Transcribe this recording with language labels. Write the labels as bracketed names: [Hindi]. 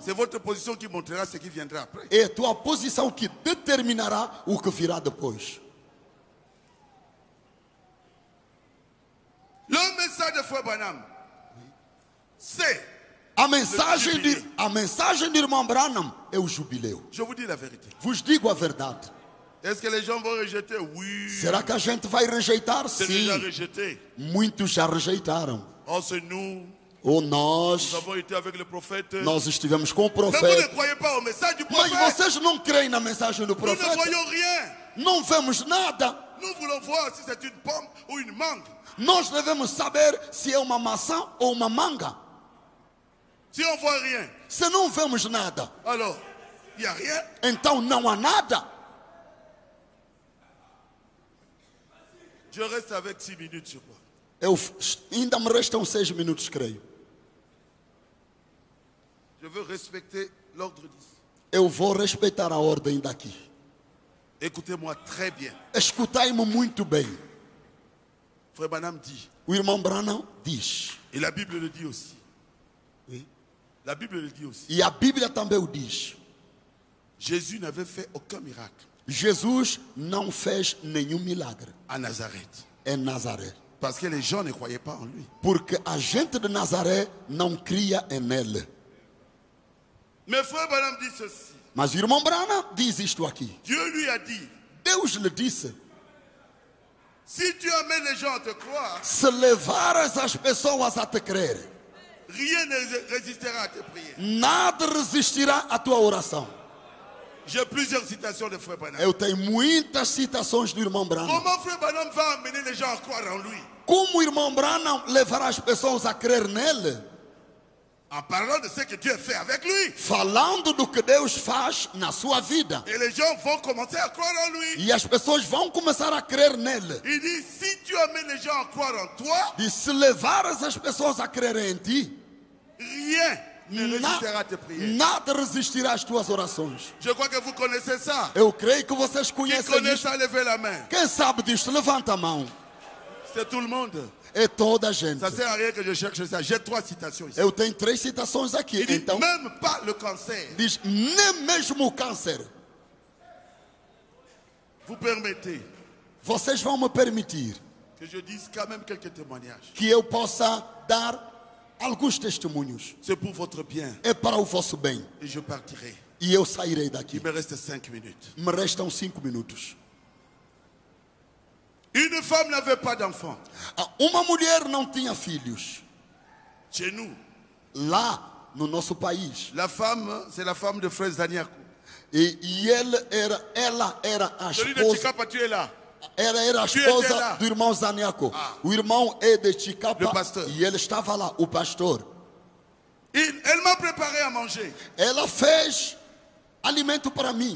[French] C'est votre position qui montrera ce qui viendra après. [Portuguese] É a tua posição que determinará o que virá depois. [French] Le message de Frère Branham, c'est [Portuguese] A mensagem de irmão Branham é o jubileu. [French] Je vous dis la vérité. [Portuguese] Vos digo a verdade. [French] Est-ce que les gens vont rejeter? Oui. [Portuguese] Será que a gente vai rejeitar? [French] C'est [Portuguese] Sim. [French] Déjà rejeté. [Portuguese] Muitos já rejeitaram. [French] Oh, c'est nous. [Portuguese] Ou nós. [French] Nous avons été avec le prophète. [Portuguese] Nós estivemos com o profeta. [French] Mais vous ne croyez pas au message du prophète. [Portuguese] Mas vocês não creem na mensagem do profeta? [French] Nous ne voyons rien. [Portuguese] Não vemos nada. [French] Nous voulons voir si c'est une pomme ou une mangue. [Portuguese] Nós devemos saber se é uma maçã ou uma manga. [French] Si on voit rien, [Portuguese] se não vemos nada, [French] alors, y a rien. [Portuguese] Então não há nada. [French] Je reste avec 6 minutes, je crois. [Portuguese] Eu ainda me restam 6 minutos, creio. [French] Je veux respecter l'ordre d'ici. [Portuguese] Eu vou respeitar a ordem daqui. [French] Écoutez-moi très bien. [Portuguese] Escutai-me muito bem. [French] Frère Branham dit. [Portuguese] O irmão Branham diz. [French] Et la Bible le dit aussi. La Bible le dit aussi. [Portuguese] E a Bíblia também o diz. [French] Jesus n'avait fait aucun miracle. [Portuguese] Jesus não fez nenhum milagre. [French] À Nazaré. [Portuguese] Em Nazaré. [French] Parce que les gens ne croyaient pas en lui. [Portuguese] Porque a gente de Nazaré não cria em ele. [French] Mais Frère Branham dit ceci. [Portuguese] Mas irmão Branham diz isto aqui. [French] Dieu lui a dit. [Portuguese] Deus lhe disse. [French] Si tu amènes les gens à te croire. [Portuguese] Se levares as pessoas a te crer. [French] Rien ne résistera à tes prières. [Portuguese] Nada resistirá à tua oração. [French] J'ai plusieurs citations de Frère Branham. [Portuguese] Eu tenho muitas citações do irmão Branham. [French] Comment Frère Branham va amener les gens à croire en lui? [Portuguese] Como o irmão Branham levará as pessoas a crer nele? [French] En parlant de ce que Dieu fait avec lui. [Portuguese] Falando do que Deus faz na sua vida. [French] Et les gens vont commencer à croire en lui. [Portuguese] E as pessoas vão começar a crer nele. [French] Il dit, si tu amènes les gens à croire en toi. [Portuguese] E se levares as pessoas a crer em ti. [French] Rien ne résistera à tes prières. [Portuguese] Nada resistirá às tuas orações. [French] Je crois que vous connaissez ça. [Portuguese] Eu creio que vocês conhecem isso. Quem conhece, levanta a mão. Quem sabe disto, levanta a mão. [French] C'est tout le monde. [Portuguese] É toda a gente. [French] Ça sert à rien que je cherche ça. J'ai trois citations ici. [Portuguese] Eu tenho três citações aqui. [French] Il dit, [Portuguese] então, [French] même pas le cancer. [Portuguese] Diz, nem mesmo o câncer. [French] Vous permettez. [Portuguese] Vocês vão me permitir. [French] Que je dise quand même quelques témoignages. [Portuguese] Que eu possa dar alguns testemunhos. [French] C'est pour votre bien. [Portuguese] É para o vosso bem. [French] Et je partirai. [Portuguese] E eu sairei daqui. [French] Il me reste 5 minutes. [Portuguese] Me restam 5 minutos. [French] Une femme n'avait pas d'enfant. [Portuguese] Uma mulher não tinha filhos. [French] Chez nous. [Portuguese] Lá no nosso país. [French] La femme, c'est la femme de Frère Zaniaco. [Portuguese] E ela era a esposa. [French] De Chicapa, [Portuguese] ela era a esposa do irmão Zaniaco. Ah. O irmão é de Chicapa. [French] Le pastor. [Portuguese] E ele estava lá, o pastor. [French] Elle m'a préparé à manger. [Portuguese] Ela fez alimento para mim.